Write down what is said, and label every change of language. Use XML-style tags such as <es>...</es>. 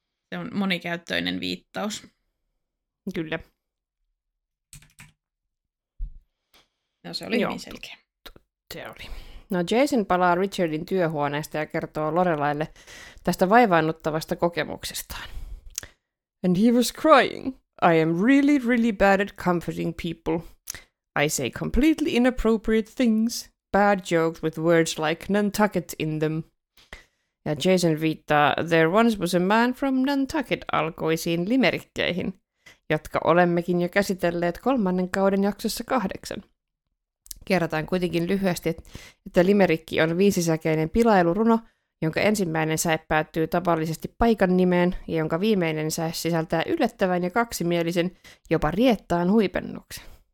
<fi>Se on monikäyttöinen viittaus. Kyllä. No se oli niin selkeä. Se oli. No Jason palaa Richardin työhuoneesta ja kertoo Lorelaille tästä vaivaannuttavasta kokemuksestaan.</fi> <en>And he was crying. I am really, really bad at comforting people. I say completely inappropriate things. Bad jokes with words like Nantucket in them.</en> <fi>Ja Jason viittaa</fi> <en>There once was a man from Nantucket</en> <fi>-alkoisiin limerikkeihin, jotka olemmekin jo käsitelleet kolmannen kauden jaksossa 8. Kerrotaan kuitenkin lyhyesti, että limerikki on viisisäkeinen pilailuruno, jonka ensimmäinen säe päättyy tavallisesti paikan nimeen ja jonka viimeinen säe sisältää yllättävän ja kaksimielisen, jopa riettaan huipennuksen.</fi>